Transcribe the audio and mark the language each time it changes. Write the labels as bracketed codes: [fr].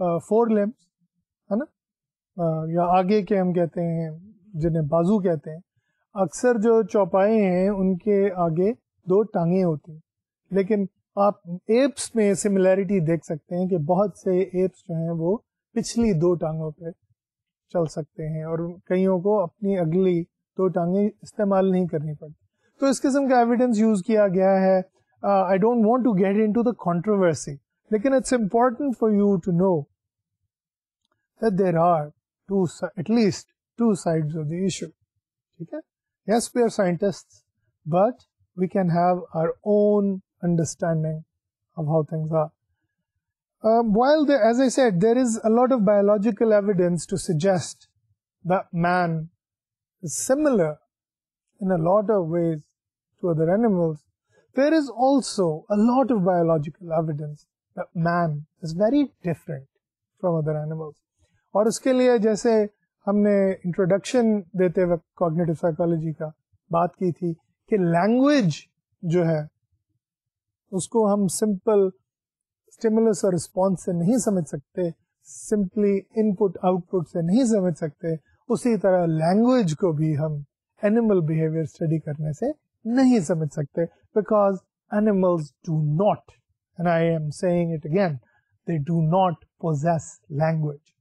[en] four limbs, [ur] hai na, ya aage ke hum kehte hain jinhe bazu kehte hain, اکثر جو چوپائے ہیں ان کے آگے دو ٹانگیں ہوتی ہیں, لیکن آپ ایپس میں سملیرٹی دیکھ سکتے ہیں کہ بہت سے ایپس جو ہیں وہ پچھلی دو ٹانگوں پہ چل سکتے ہیں اور کئیوں کو اپنی اگلی دو ٹانگیں استعمال نہیں کرنی پڑتی. تو اس قسم کا ایویڈنس یوز کیا گیا ہے. [en] I don't want to get into the controversy, [ur] لیکن [en] it's important for you to know that there are two, at least two sides of the issue, [ur] ٹھیک ہے. [en] Yes, we are scientists, but we can have our own understanding of how things are. While, there, as I said, there is a lot of biological evidence to suggest that man is similar in a lot of ways to other animals, there is also a lot of biological evidence that man is very different from other animals. [ur] Aur uske liye jaise ہم نے introduction دیتے وقت cognitive psychology کا بات کی تھی کہ language جو ہے اس کو ہم سمپل سٹیمولس اور رسپانس سے نہیں سمجھ سکتے, سمپلی ان پٹ آؤٹ پٹ سے نہیں سمجھ سکتے, اسی طرح لینگویج کو بھی ہم اینیمل بیہیویئر اسٹڈی کرنے سے نہیں سمجھ سکتے, [en] Because animals do not, and I am seeing it again, they do not possess language.